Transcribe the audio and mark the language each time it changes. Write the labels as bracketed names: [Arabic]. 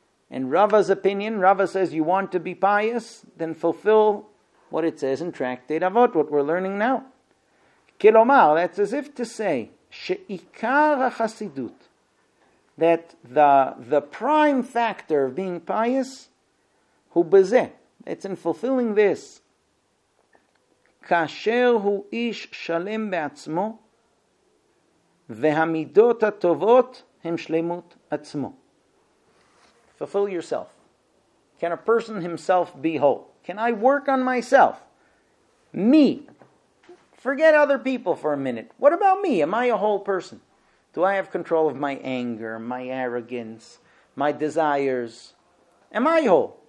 [English] And Rava's opinion, Rava says, you want to be pious, then fulfill what it says in Tractate Avot, what we're learning now. Kilomar, that's as if to say, [Hebrew] שעיקר החסידות, [English] that the prime factor of being pious, [Hebrew] הוא בזה. [English] It's in fulfilling this. [Hebrew] כאשר הוא איש שלם בעצמו, והמידות הטובות הם שלמות עצמו. [English] Fulfill yourself. Can a person himself be whole? Can I work on myself? Me. Forget other people for a minute. What about me? Am I a whole person? Do I have control of my anger, my arrogance, my desires? Am I whole?